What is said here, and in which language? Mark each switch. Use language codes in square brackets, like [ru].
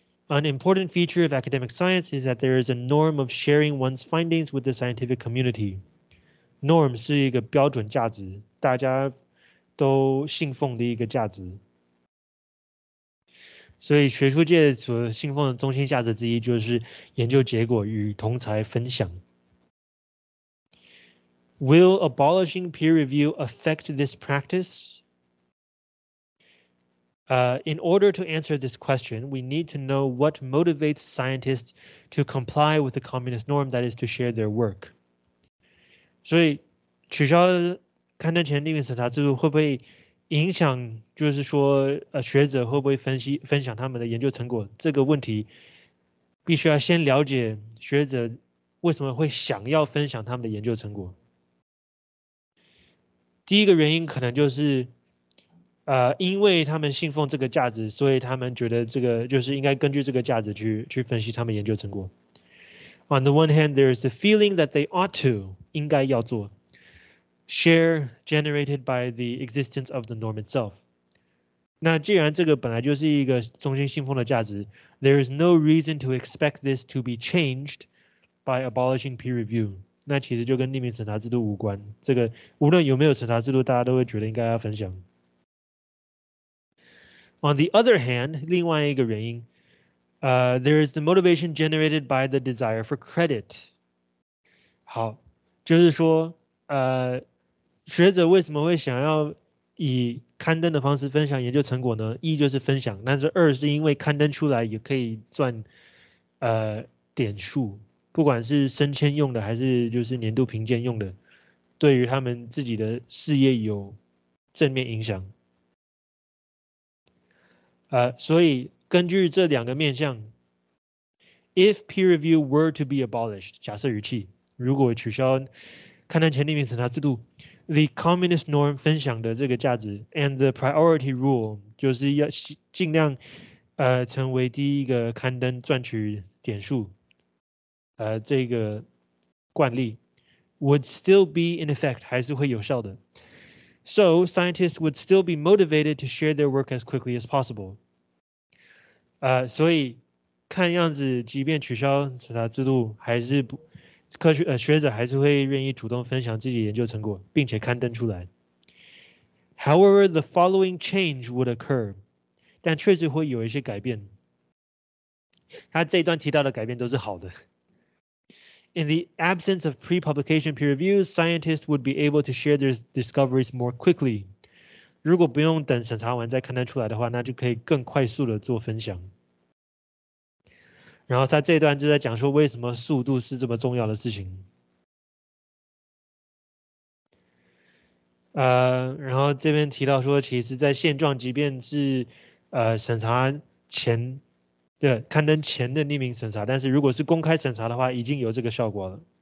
[en] An important feature of academic science is that there is a norm of sharing one's findings with the scientific community. [zh] Norm 是一个标准价值，大家都信奉的一个价值。所以学术界所信奉的中心价值之一就是研究结果与同侪分享。 [en] Will abolishing peer review affect this practice? In order to answer this question, we need to know what motivates scientists to comply with the communist norm, that is to share their work. [zh] 所以取消刊登前匿名审查制度会不会影响，就是说学者会不会分享他们的研究成果，这个问题必须要先了解学者为什么会想要分享他们的研究成果。第一个原因可能就是因为他们信奉这个价值，所以他们觉得这个就是应该根据这个价值去分析他们研究成果。 [en] On the one hand, there is the feeling that they ought to, [zh] 应该要做 [en] share generated by the existence of the norm itself. [zh] 那既然这个本来就是一个中心信奉的价值， [en] there is no reason to expect this to be changed by abolishing peer review. [zh] 那其实就跟匿名审查制度无关，这个无论有没有审查制度，大家都会觉得应该要分享。 [en] On the other hand, [zh] 另外一个原因， [en] there is the motivation generated by the desire for credit. [zh] 好，就是说，学者为什么会想要以刊登的方式分享研究成果呢？一就是分享，但是二是因为刊登出来也可以赚，点数，不管是升迁用的还是就是年度评鉴用的，对于他们自己的事业有正面影响。所以根据这两个面向 ， [en] if peer review were to be abolished， [zh] 假设语气，如果取消刊登前匿名审查制度 ， [en] the communist norm [zh] 分享的这个价值 ， [en] and the priority rule [zh] 就是要尽量成为第一个刊登赚取点数，这个惯例 [en] would still be in effect， [zh] 还是会有效的。 [en] So scientists would still be motivated to share their work as quickly as possible. [zh] 所以看样子，即便取消审查制度，还是不学者还是会愿意主动分享自己研究成果，并且刊登出来。 [en] However, the following change would occur. [zh] 但确实会有一些改变。他这一段提到的改变都是好的。 [en] In the absence of pre-publication peer review, scientists would be able to share their discoveries more quickly. [zh] 如果不用等审查完再刊登出来的话，那就可以更快速的做分享。然后他这一段就在讲说为什么速度是这么重要的事情。然后这边提到说，其实在现状，即便是审查前的刊登前的匿名审查，但是如果是公开审查的话，已经有这个效果了。